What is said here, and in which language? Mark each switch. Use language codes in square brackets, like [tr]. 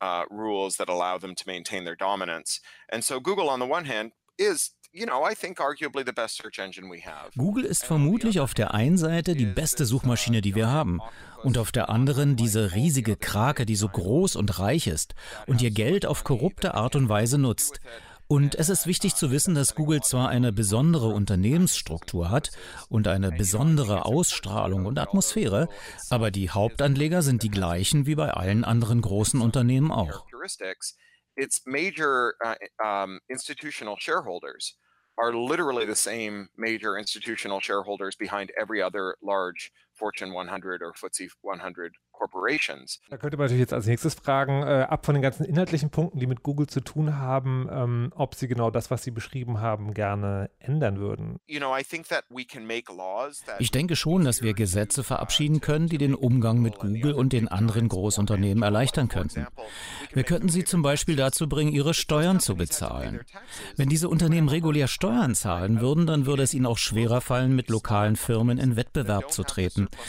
[en] Rules that allow them to maintain their dominance. And so Google on the one hand is, you know, I think arguably the best search engine we have. [de] Google ist vermutlich auf der einen Seite die beste Suchmaschine, die wir haben, und auf der anderen diese riesige Krake, die so groß und reich ist und ihr Geld auf korrupte Art und Weise nutzt. Und es ist wichtig zu wissen, dass Google zwar eine besondere Unternehmensstruktur hat und eine besondere Ausstrahlung und Atmosphäre, aber die Hauptanleger sind die gleichen wie bei allen anderen großen Unternehmen auch. [en] Its major institutional shareholders are literally the same major institutional shareholders behind every other large Fortune 100 or FTSE 100 corporations. [de] Da könnte man natürlich jetzt als nächstes fragen, ab von den ganzen inhaltlichen Punkten, die mit Google zu tun haben, ob sie genau das, was sie beschrieben haben, gerne ändern würden. [en] You know, I think that we can make laws that. [de] Ich denke schon, dass wir Gesetze verabschieden können, die den Umgang mit Google und den anderen Großunternehmen erleichtern könnten. Wir könnten sie zum Beispiel dazu bringen, ihre Steuern zu bezahlen. Wenn diese Unternehmen regulär Steuern zahlen würden, dann würde es ihnen auch schwerer fallen, mit lokalen Firmen in Wettbewerb zu treten.